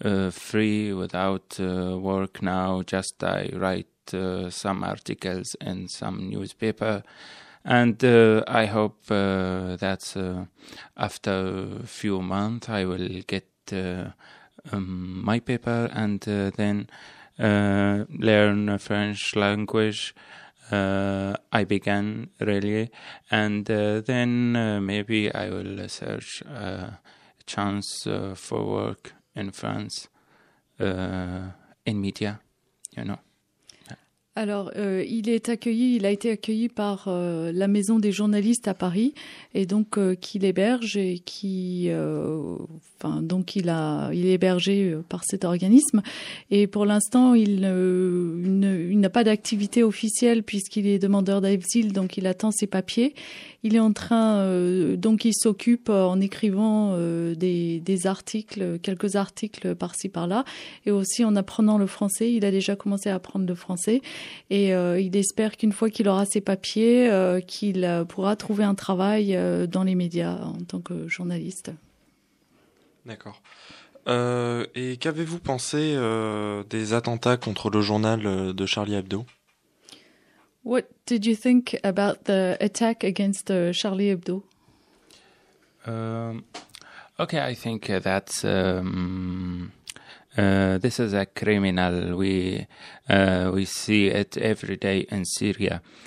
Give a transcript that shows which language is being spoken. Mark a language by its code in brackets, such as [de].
[en] Free without work now. Just I write some articles in some newspaper, and I hope that after a few months I will get my paper and then learn French language. I began really, and then maybe I will search a chance for work in France, in media, you know. [fr] Alors, il a été accueilli par la Maison des Journalistes à Paris, et donc qui l'héberge et qui, enfin, donc il est hébergé par cet organisme. Et pour l'instant, il n'a pas d'activité officielle puisqu'il est demandeur d'asile, donc il attend ses papiers. Il est en train, donc il s'occupe en écrivant des articles, quelques articles par-ci par-là, et aussi en apprenant le français. Il a déjà commencé à apprendre le français. Et il espère qu'une fois qu'il aura ses papiers, qu'il pourra trouver un travail dans les médias en tant que journaliste. D'accord. Et qu'avez-vous pensé des attentats contre le journal de Charlie Hebdo? [en] What did you think about the attack against Charlie Hebdo? Okay, I think that's... this is a criminal. We see it every day in Syria.